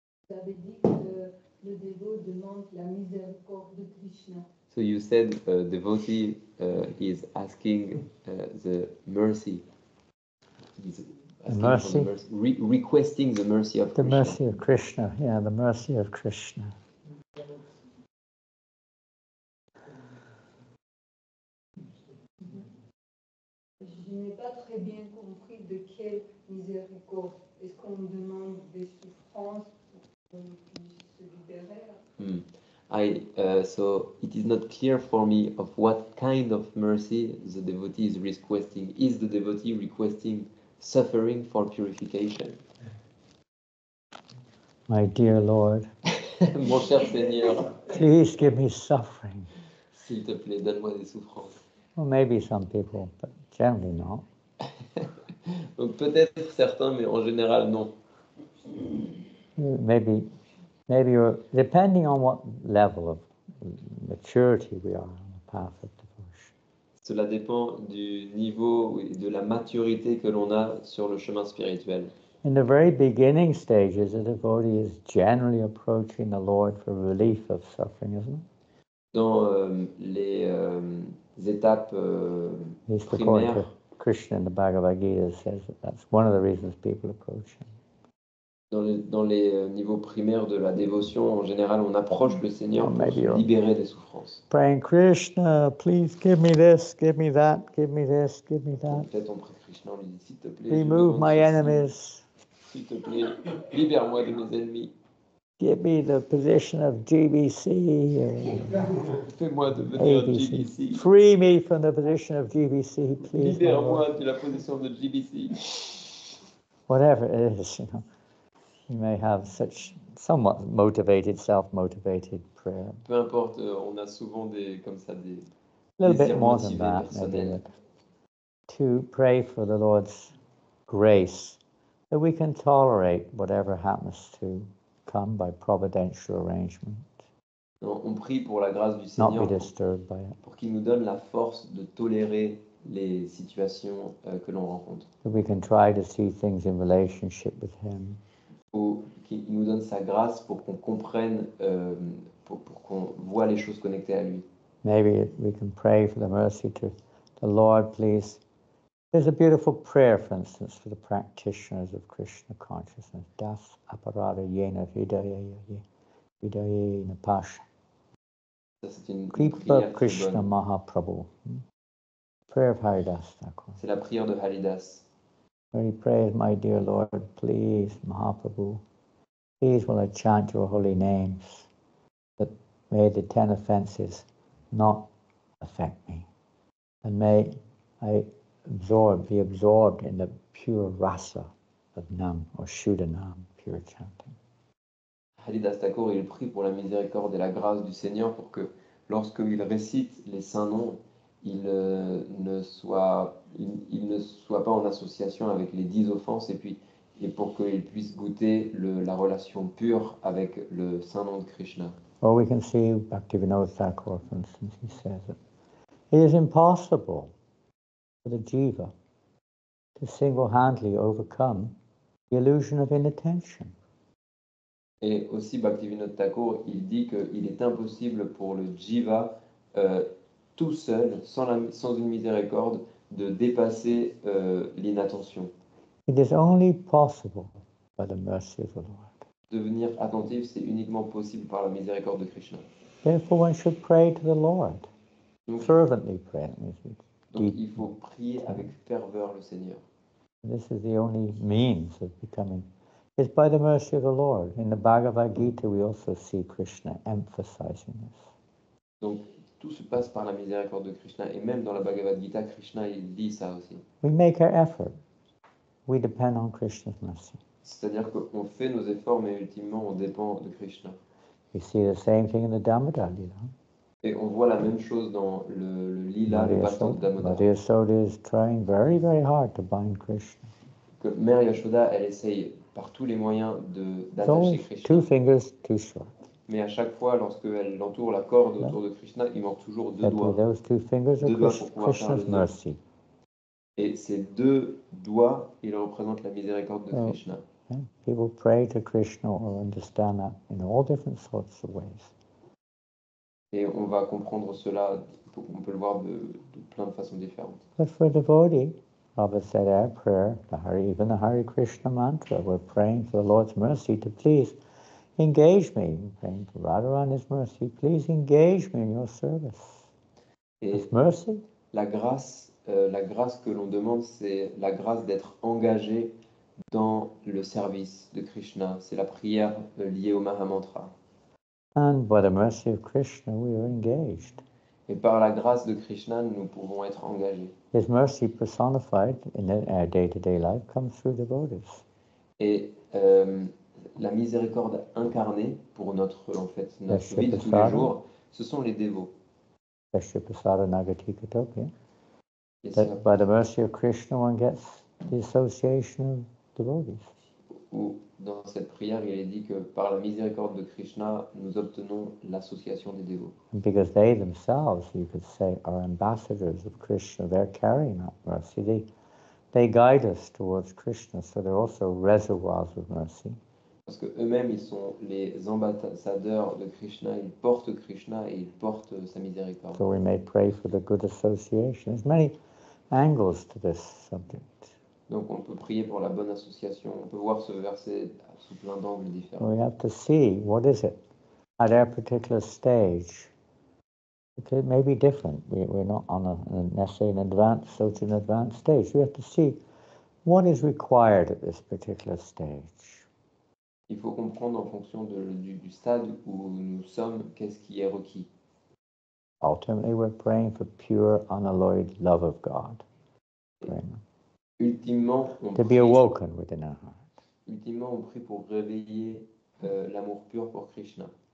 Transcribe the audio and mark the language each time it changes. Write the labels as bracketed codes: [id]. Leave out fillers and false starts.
[fr] Vous avez dit que le dévot demande la miséricorde de Krishna. [en] So you said devotee is asking the mercy. Requesting the mercy of the The mercy of Krishna, yeah, the mercy of Krishna. [fr] Je n'ai pas très bien compris de quelle miséricorde. Est-ce qu'on demande des souffrances pour qu'on puisse se libérer? [en] So it is not clear for me of what kind of mercy the devotee is requesting. Is the devotee requesting suffering for purification? My dear Lord, [fr] mon cher Seigneur, [en] please give me suffering. [fr] S'il te plaît, donne-moi des souffrances. [en] Well, maybe some people, but generally not. [fr] Donc peut-être certains, mais en général non. [en] Maybe you're, depending on what level of maturity we are on the path of devotion. [fr] Cela dépend du niveau et de la maturité que l'on a sur le chemin spirituel. [en] In the very beginning stages, a devotee is generally approaching the Lord for relief of suffering, isn't it? [fr] Dans les étapes primaires. [en] Krishna in the Bhagavad Gita says that that's one of the reasons people approach him. [fr] Dans les niveaux primaires de la dévotion, en général, on approche le Seigneur pour se libérer des souffrances. [en] Praying Krishna, please give me this, give me that, give me this, give me that. [fr] Peut-être on prie Krishna, on lui dit, s'il te plaît. [en] Remove my enemies. [fr] S'il te plaît, libère-moi de mes ennemis. [en] Give me the position of GBC. [fr] Fais-moi devenir ABC. GBC. [en] Free me from the position of GBC, please. [fr] Libère-moi de la position de GBC. [en] Whatever it is, you know. You may have such somewhat motivated, self-motivated prayer. [fr] Peu importe, on a souvent des, comme ça, des [en] a little bit more than that, maybe. To pray for the Lord's grace, that we can tolerate whatever happens to come by providential arrangement. [fr] Non, on prie pour la grâce du Seigneur. [en] Not be disturbed by it. [fr] Pour qu'il nous donne la force de tolérer les situations que l'on rencontre. [en] That we can try to see things in relationship with him. [fr] Qu'il nous donne sa grâce pour qu'on comprenne, pour qu'on voit les choses connectées à lui. [en] Maybe we can pray for the mercy to the Lord, please. There's a beautiful prayer, for instance, for the practitioners of Krishna consciousness. [sa] Das aparara yena vidaye vidaye na pasha. Kripa [en] Krishna Mahaprabhu. Prayer of Haridas, d'accord. [fr] C'est la prière de Haridas. [en] Where he prays, my dear Lord, please, Mahaprabhu, please will I chant your holy names, that may the 10 offenses not affect me, and may I be absorbed in the pure rasa of Nam or Shuddhanam, pure chanting. [fr] Haridas Thakur, il prie pour la miséricorde et la grâce du Seigneur pour que lorsque il récite les saints noms, il ne soit pas en association avec les 10 offenses et pour qu'il puisse goûter la relation pure avec le saint nom de Krishna. [en] Well, we can see Bhaktivinoda Thakur, for instance, he says that it is impossible for the jiva to single-handedly overcome the illusion of inattention. [fr] Et aussi Bhaktivinoda Thakur, il dit qu'il est impossible pour le jiva tout seul, sans une miséricorde, de dépasser l'inattention. [en] It is only possible by the mercy of the Lord. [fr] Devenir attentif, c'est uniquement possible par la miséricorde de Krishna. [en] Therefore, one should pray to the Lord. Donc, fervently pray. [fr] Donc, il faut prier avec ferveur le Seigneur. [en] This is the only means of becoming. It's by the mercy of the Lord. In the Bhagavad Gita, we also see Krishna emphasizing this. [fr] Donc, tout se passe par la miséricorde de Krishna. Et même dans la Bhagavad Gita, Krishna il dit ça aussi. [en] We make our effort. We depend on Krishna's mercy. [fr] C'est-à-dire qu'on fait nos efforts, mais ultimement, on dépend de Krishna. [en] We see the same thing in the Damodar Lila. [fr] Et on voit la même chose dans le Lila, le passant de Damodar. [en] Mother Yashoda is trying very, very hard to bind Krishna. [fr] Que Mère Yashoda, elle essaye par tous les moyens d'attacher Krishna. [en] So, two fingers too short. [fr] Mais à chaque fois, lorsqu'elle entoure la corde autour de Krishna, il manque toujours deux doigts pour pouvoir faire le nœud. Et ces deux doigts, ils représentent la miséricorde de Krishna. [en] People pray to Krishna or understand that in all different sorts of ways. [fr] Et on va comprendre cela, on peut le voir de plein de façons différentes. [en] But for a devotee, Prabhupada said our prayer, even the Hare Krishna mantra, we're praying for the Lord's mercy to please engage me, praying for Radharani's mercy. Please engage me in your service. It's mercy. [fr] La grâce que l'on demande, c'est la grâce d'être engagé dans le service de Krishna. C'est la prière liée au Mahamantra. [en] And by the mercy of Krishna, we are engaged. [fr] Et par la grâce de Krishna, nous pouvons être engagés. [en] His mercy personified in our day-to-day life comes through devotees. [fr] Et la miséricorde incarnée pour notre, en fait, notre vie de tous les jours, ce sont les dévots. [en] That by the mercy of Krishna, one gets the association of devotees. [fr] Ou dans cette prière, il est dit que par la miséricorde de Krishna, nous obtenons l'association des dévots. [en] And because they themselves, you could say, are ambassadors of Krishna, they're carrying that mercy. They guide us towards Krishna, so they're also reservoirs of mercy. [fr] Parce que eux-mêmes, ils sont les ambassadeurs de Krishna. Ils portent Krishna et ils portent sa miséricorde. [en] So we may pray for the good association. There's many angles to this subject. Donc on peut prier pour la bonne association. On peut voir ce verset sous plein d'angles différents. We have to see what is it at our particular stage. It may be different. We're not on an advanced stage. We have to see what is required at this particular stage. [fr] Il faut comprendre en fonction de, du stade où nous sommes, qu'est-ce qui est requis. [en] Ultimately, we're praying for pure, unalloyed love of God. [fr] Ultimement, on [en] to [fr] prie, [en] be awoken within our heart. [fr] Ultimement, on prie pour réveiller l'amour pur pour Krishna.